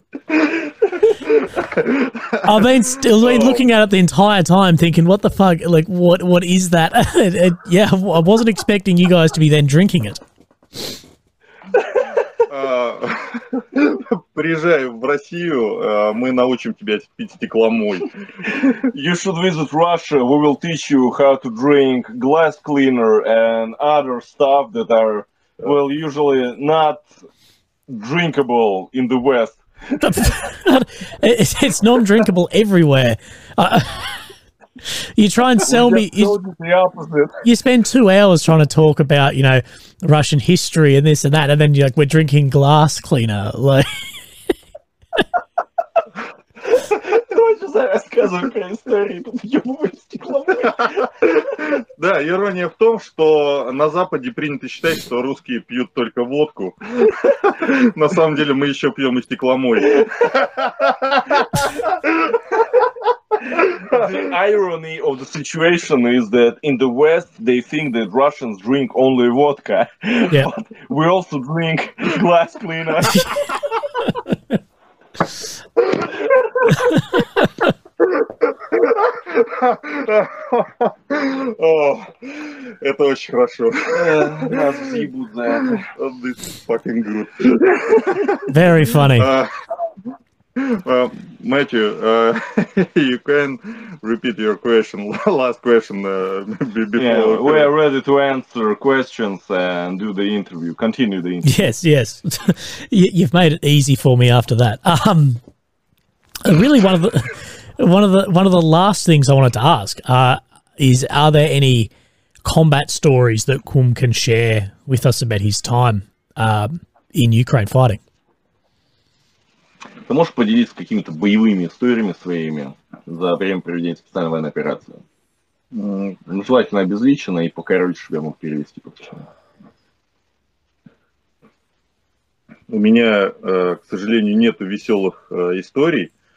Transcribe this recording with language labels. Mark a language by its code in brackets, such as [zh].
[en] I've been looking at it the entire time thinking, what the fuck, like, what is that? I wasn't expecting you guys to be then drinking it. [ru] Приезжай в Россию, мы научим тебя пить стекломой. [en] You should visit Russia, we will teach you how to drink glass cleaner and other stuff that are, well, usually not drinkable in the West. It's non-drinkable everywhere. You try and sell me. You spend 2 hours trying to talk about, you know, Russian history and this and that, and then you're like, we're drinking glass cleaner. Like. [ru] Давайте за рассказываем про историю. Да, ирония в том, что на Западе принято считать, что русские пьют только водку. На самом деле мы еще пьем и стекломой. [en] The irony of the situation is that in the West they think that Russians drink only vodka. Yeah. But we also drink glass cleaner. [ru] О, это очень хорошо. Нас съебут за это. [en] This is fucking good. Very funny. Matthew, you can repeat your question, last question. Yeah, we are ready to answer questions and do the interview. Continue the interview. Yes, yes. You've made it easy for me after that. Really, one of the last things I wanted to ask is: are there any combat stories that Kum can share with us about his time in Ukraine fighting? [ru] Ты можешь поделиться какими-то боевыми историями своими за время проведения специальной военной операции? Ну, желательно обезличенно и покороче, чтобы я мог перевести по-другому. У меня, к сожалению, нету веселых историй.